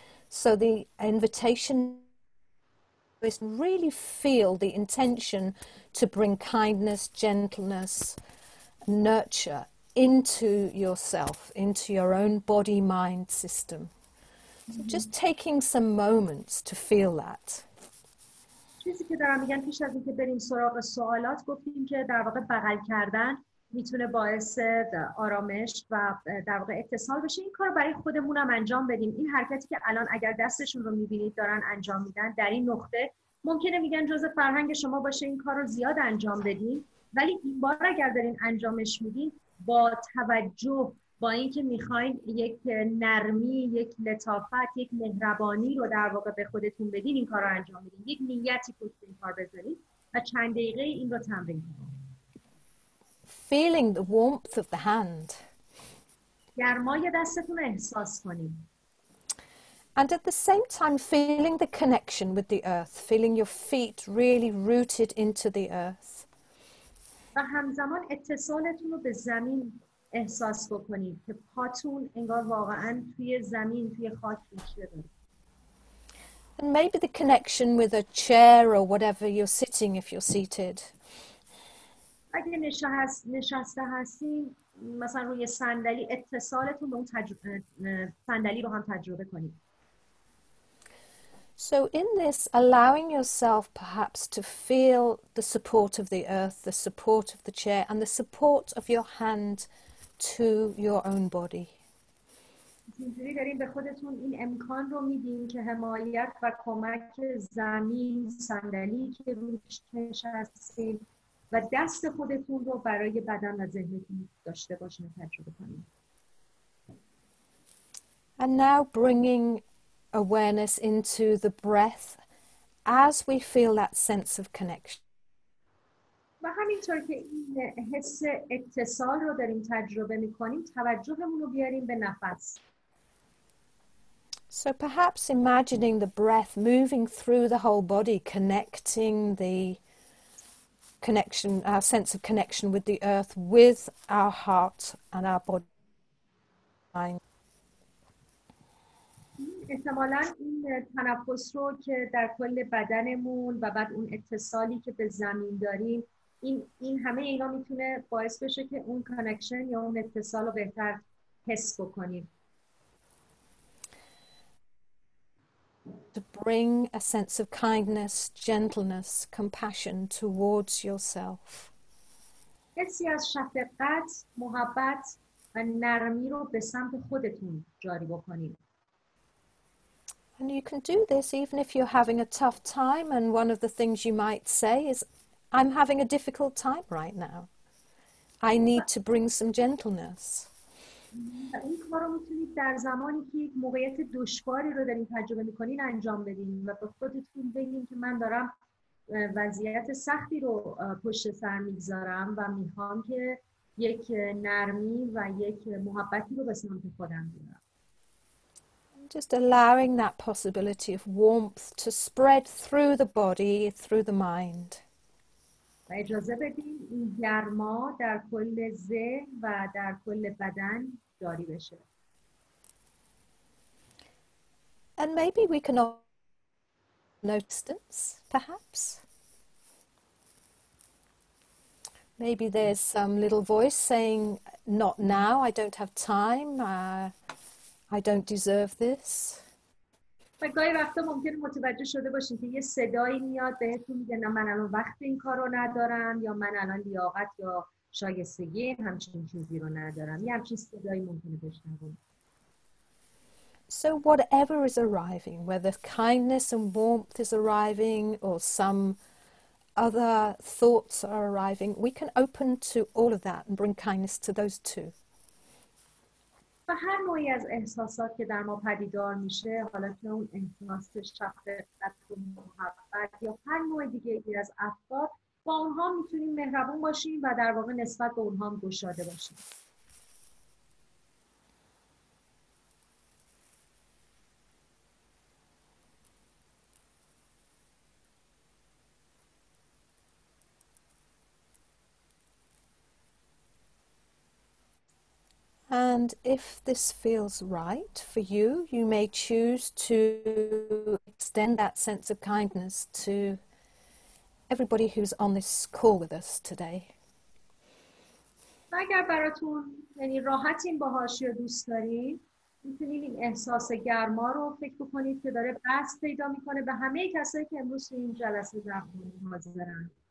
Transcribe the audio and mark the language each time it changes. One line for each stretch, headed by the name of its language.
English: So the invitation is really feel the intention to bring kindness, gentleness, nurture into yourself, into your own body mind system. Mm-hmm. So just taking some moments to feel that.
Persian: چیزی که دارم میگن پیش از اینکه بریم سراغ سوالات گفتیم که در واقع بغل کردن میتونه باعث آرامش و در واقع اتصال بشه. این کارو برای خودمونم انجام بدیم. این حرکتی که الان اگر دستشون رو میبینید دارن انجام میدن در این نقطه ممکنه میگن جزء فرهنگ شما باشه این کارو زیاد انجام بدین، ولی این بار اگر دارین انجامش میدین با توجه با اینکه میخواین یک نرمی، یک لطافت، یک مهربانی رو در واقع به خودتون بدین این کارو انجام بدین، یک نیتی پشت این کار بذارین و چند دقیقه این رو تمرین کنین.
English: Feeling the warmth of the hand.
Persian: گرمای دستتون احساس کنید.
English: And at the same time, feeling the connection with the earth, feeling your feet really rooted into the earth.
Persian: و همزمان اتصالتون رو به زمین احساس بکنید که پاتون انگار واقعا توی زمین توی خاک میشه داره.
English: And maybe the connection with a chair or whatever you're sitting, if you're seated.
Persian: اگه نشسته هستین مثلا روی صندلی اتصالتون به اون صندلی با هم تجربه کنید.
English: So in this, allowing yourself perhaps to feel the support of the earth, the support of the chair, and the support of your hand to your own body.
Persian: اینجوری داریم به خودتون این امکان رو میدیم که حمایت و کمک زمین، صندلی که روش نشستیم و دست خودتون رو برای بدن و ذهنتون داشته باشین و تجربه کنیم.
English: And now bringing awareness into the breath as we feel that sense of connection.
Persian: و همینطور که این حس اتصال رو داریم تجربه میکنیم توجهمون رو بیاریم به نفس.
English: So perhaps imagining the breath moving through the whole body, connecting the connection, our sense of connection with the earth, with our heart and our body, mind.
Persian: احتمالاً این تنفس رو که در کل بدنمون و بعد اون اتصالی که به زمین داریم این همه اینا میتونه باعث بشه که اون کانکشن یا اون اتصال رو بهتر حس بکنیم.
English: To bring a sense of kindness, gentleness, compassion towards yourself.
Persian: حسی از شفقت، محبت و نرمی رو به سمت خودتون جاری بکنیم.
English: And you can do this even if you're having a tough time, and one of the things you might say is, I'm having a difficult time right now. I need to bring some gentleness.
Persian: این کار رو میتونید در زمانی که یک موقعیت دشواری رو دارین تجربه میکنین انجام بدین و به خودتون بگین که من دارم وضعیت سختی رو پشت سر میگذارم و میخوام که یک نرمی و یک محبتی رو به سمت خودم بیارم.
English: Just allowing that possibility of warmth to spread through the body, through the mind.
Persian: اجازه بدیم این گرما در کل ذهن و در کل بدن جاری بشه.
English: And maybe we can notice this, perhaps. Maybe there's some little voice saying, not now, I don't have time, I don't deserve this.
Persian: و گاهی وقتا ممکن متوجه شده باشین که یه صدایی میاد بهتون میگه نه من الان وقت این کار رو ندارم یا من الان لیاقت یا شایستگی همچین چیزی رو ندارم. یه همچین صدایی ممکنه بشنوید.
English: So whatever is arriving, whether kindness and warmth is arriving or some other thoughts are arriving, we can open to all of that and bring kindness to those two.
Persian: و هر نوعی از احساسات که در ما پدیدار میشه حالا که اون احساس شفقت و محبت یا هر نوع دیگه ای از افکار با اونها میتونیم مهربون باشیم و در واقع نسبت به اونها هم گشاده باشیم.
English: And if this feels right for you, you may choose to extend that sense of kindness to everybody who's on this call with us today.
Persian: اگر براتون یعنی راحتین باهاش یا دوست دارین میتونید این احساس گرما رو فکر بکنید که داره بس پیدا میکنه به همه کسایی که امروز تو این جلسه حاضرن.